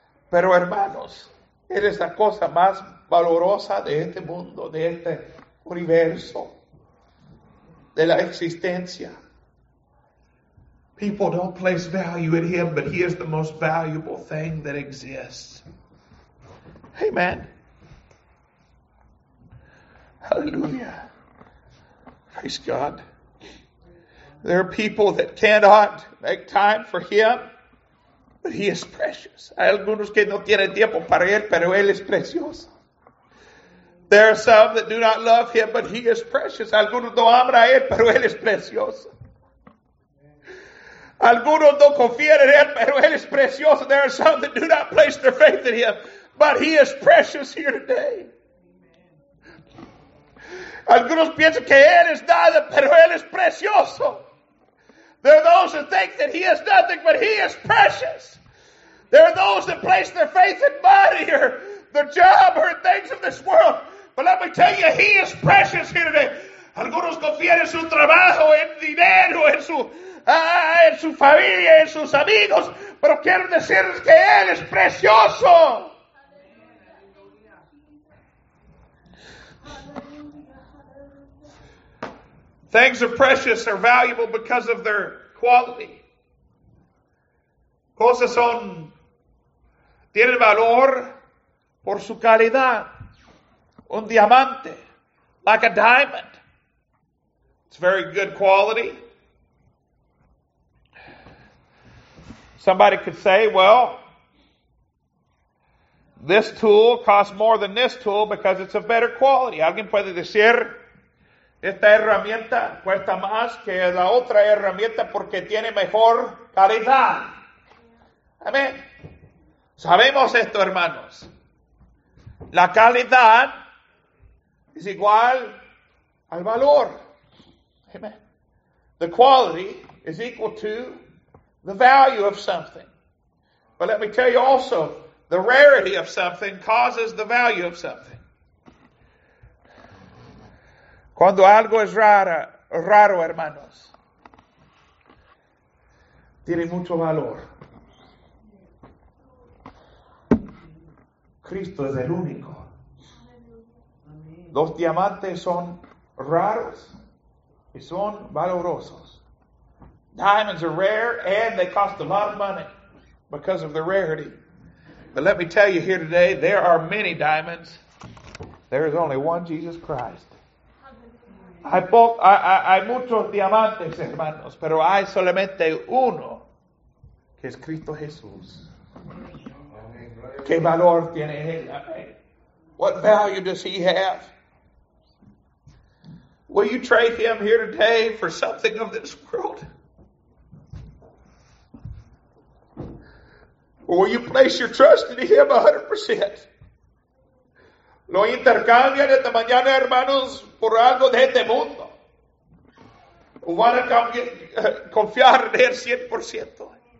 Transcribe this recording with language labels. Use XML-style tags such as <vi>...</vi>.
<es>Pero hermanos, Él es la cosa más valorosa de este mundo, de este universo, de la existencia.</es> <en>People don't place value in Him, but He is the most valuable thing that exists. Amen. Hallelujah. Praise God. There are people that cannot make time for Him, but He is precious.</en> <es>Hay algunos que no tienen tiempo para Él, pero Él es precioso.</es> <en>There are some that do not love Him, but He is precious.</en> <es>Algunos no aman a Él, pero Él es precioso. Algunos no confían en Él, pero Él es precioso.</es> <en>There are some that do not place their faith in Him, but He is precious here today.</en> <es>Algunos piensan que Él es nada, pero Él es precioso.</es> <en>There are those that think that He is nothing, but He is precious. There are those that place their faith in money or their job or in things of this world. But let me tell you, He is precious here today.</en> <es>Algunos confían en su trabajo, en dinero, en su familia, en sus amigos. Pero quiero decirles que Él es precioso.</es> <en>Things are precious, are valuable because of their quality.</en> <es>Cosas son, tienen valor por su calidad. Un diamante,</es> <en>like a diamond. It's very good quality. Somebody could say, well, this tool costs more than this tool because it's of better quality.</en> <es>¿Alguien puede decir, esta herramienta cuesta más que la otra herramienta porque tiene mejor calidad? Amén. Sabemos esto, hermanos. La calidad es igual al valor. Amén.</es> <en>The quality is equal to the value of something. But let me tell you also, the rarity of something causes the value of something.</en> <es>Cuando algo es raro, hermanos, tiene mucho valor. Cristo es el único. Los diamantes son raros y son valorosos.</es> <en>Diamonds are rare and they cost a lot of money because of their rarity. But let me tell you here today, there are many diamonds. There is only one Jesus Christ.</en> <es>Hay muchos diamantes, hermanos, pero hay solamente uno, que es Cristo Jesús. ¿Qué valor tiene él?</es> <en>What value does he have? Will you trade him here today for something of this world? Or will you place your trust in him 100%?</en> <es>¿Lo intercambian esta mañana, hermanos, por algo de este mundo? ¿O van a confiar en él 100%?</es>